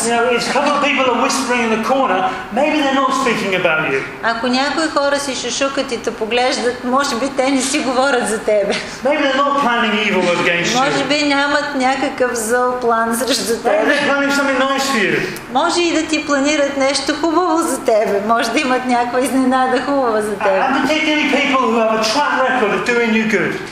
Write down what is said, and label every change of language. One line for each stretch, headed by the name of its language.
English: You know, it's a couple of people people are whispering in the corner, maybe they're not speaking about you.
Bulgarian: Ако някои хора си шушукат и те поглеждат, може би те не си говорят за тебе.
English: Maybe they're not planning evil against you.
Bulgarian: Може би нямат някакъв зъл план срещу тебе.
English: Maybe they're planning something nice for you.
Bulgarian: Може и да ти планират нещо хубаво за тебе. Може да имат някаква изненада хубава за тебе.
English: And particularly people who have a track record of doing you good.